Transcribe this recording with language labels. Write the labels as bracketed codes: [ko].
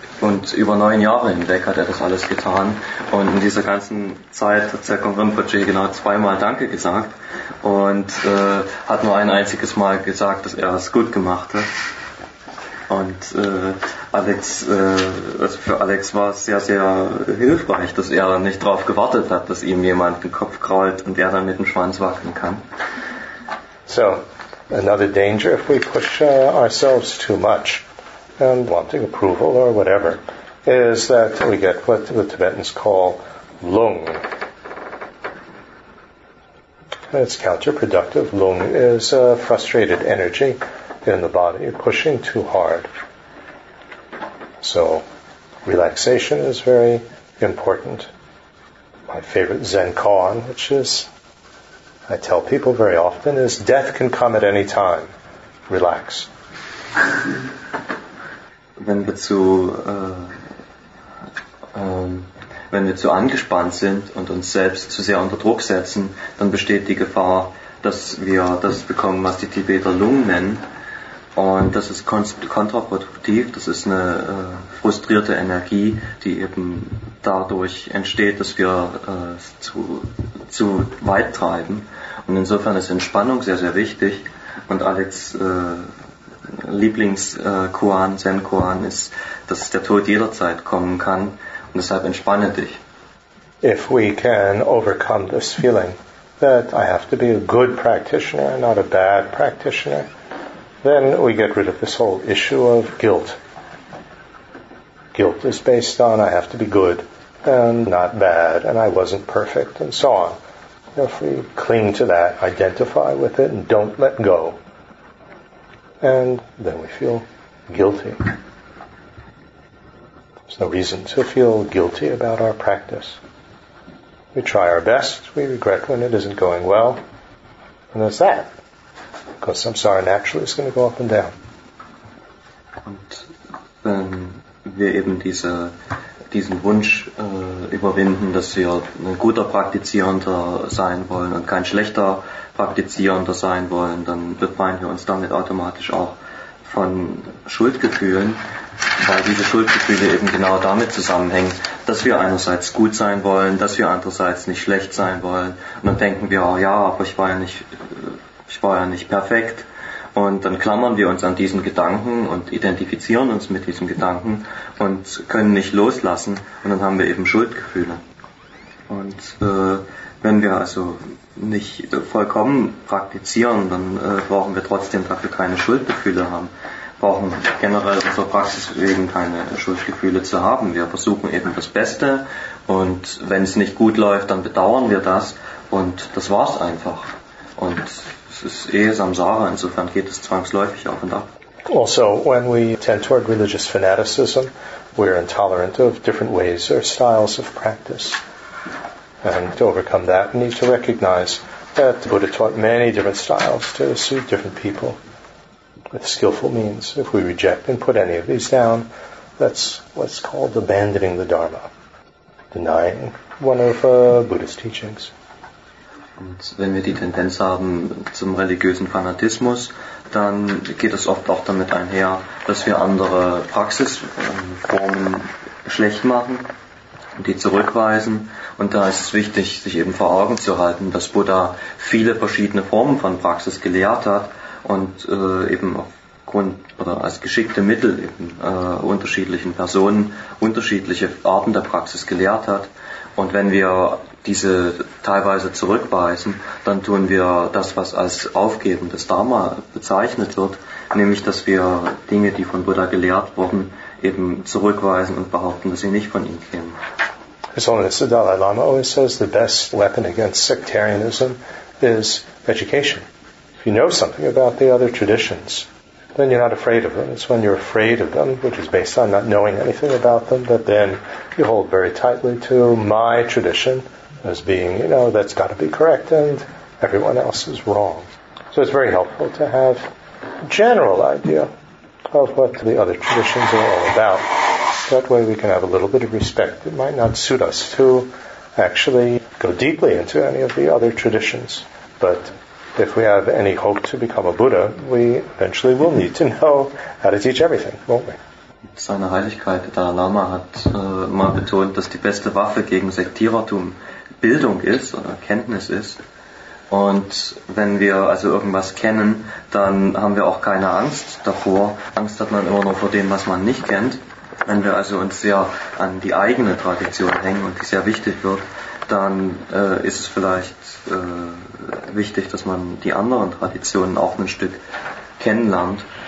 [de] Und über 9 Jahre hinweg hat er das alles getan. Und in dieser ganzen Zeit hat Sergen Rinpoche genau 2-mal Danke gesagt und hat nur ein einziges Mal gesagt, dass er es gut gemacht hat. Und für Alex war es sehr, sehr hilfreich, dass er nicht darauf gewartet hat, dass ihm jemand den Kopf krault und er dann mit dem Schwanz wackeln kann. [en] So, another danger if we push ourselves too much and wanting approval or whatever, is that we get what the Tibetans call lung. It's counterproductive. Lung is a frustrated energy in the body, pushing too hard. So relaxation is very important. My favorite Zen koan, which is, I tell people very often, is death can come at any time. Relax. [de] Wenn wir zu angespannt sind und uns selbst zu sehr unter Druck setzen, dann besteht die Gefahr, dass wir das bekommen, was die Tibeter Lung nennen. Und das ist kontraproduktiv, das ist eine frustrierte Energie, die eben dadurch entsteht, dass wir zu weit treiben. Und insofern ist Entspannung sehr, sehr wichtig. Und Alex Lieblings-Koan, Zen-Koan ist, dass der Tod jederzeit kommen kann und deshalb entspanne dich. [en] If we can overcome this feeling that I have to be a good practitioner and not a bad practitioner, then we get rid of this whole issue of guilt. Guilt is based on I have to be good and not bad and I wasn't perfect and so on. If we cling to that, identify with it and don't let go, and then we feel guilty. There's no reason to feel guilty about our practice. We try our best. We regret when it isn't going well. And that's that. Because samsara naturally is going to go up and down. [de] Und wenn wir eben diesen Wunsch überwinden, dass wir ein guter Praktizierender sein wollen und kein schlechter Praktizierender sein wollen, dann befreien wir uns damit automatisch auch von Schuldgefühlen, weil diese Schuldgefühle eben genau damit zusammenhängen, dass wir einerseits gut sein wollen, dass wir andererseits nicht schlecht sein wollen. Und dann denken wir auch, ja, aber ich war ja nicht perfekt. Und dann klammern wir uns an diesen Gedanken und identifizieren uns mit diesem Gedanken und können nicht loslassen. Und dann haben wir eben Schuldgefühle. Und wenn wir also nicht vollkommen praktizieren, dann brauchen wir trotzdem dafür keine Schuldgefühle haben. Brauchen generell unsere Praxis wegen keine Schuldgefühle zu haben. Wir versuchen eben das Beste und wenn es nicht gut läuft, dann bedauern wir das und das war's einfach. Und es ist eh Samsara, insofern geht es zwangsläufig auf und ab. [en] Also, when we tend toward religious fanaticism, we're intolerant of different ways or styles of practice. And to overcome that, we need to recognize that the Buddha taught many different styles to suit different people with skillful means. If we reject and put any of these down, that's what's called abandoning the Dharma, denying one of Buddha's teachings. [de] Und wenn wir die Tendenz haben zum religiösen Fanatismus, dann geht es oft auch damit einher, dass wir andere Praxisformen schlecht machen. Die zurückweisen. Und da ist es wichtig, sich eben vor Augen zu halten, dass Buddha viele verschiedene Formen von Praxis gelehrt hat und eben aufgrund oder als geschickte Mittel eben unterschiedlichen Personen unterschiedliche Arten der Praxis gelehrt hat. Und wenn wir diese teilweise zurückweisen, dann tun wir das, was als Aufgeben des Dharma bezeichnet wird, nämlich dass wir Dinge, die von Buddha gelehrt wurden, eben zurückweisen und behaupten, dass sie nicht von ihm kämen. [en] His Holiness the Dalai Lama always says the best weapon against sectarianism is education. If you know something about the other traditions, then you're not afraid of them. It's when you're afraid of them, which is based on not knowing anything about them, that then you hold very tightly to my tradition as being, you know, that's got to be correct and everyone else is wrong. So it's very helpful to have a general idea of what the other traditions are all about. That way we can have a little bit of respect. It might not suit us to actually go deeply into any of the other traditions, but if we have any hope to become a Buddha, we eventually will need to know how to teach everything, won't we? [de] Seine Heiligkeit, der Dalai Lama, hat mal betont, dass die beste Waffe gegen Sektierertum Bildung ist oder Kenntnis ist. Und wenn wir also irgendwas kennen, dann haben wir auch keine Angst davor. Angst hat man immer nur vor dem, was man nicht kennt. Wenn wir also uns sehr an die eigene Tradition hängen und die sehr wichtig wird, dann ist es vielleicht wichtig, dass man die anderen Traditionen auch ein Stück kennenlernt.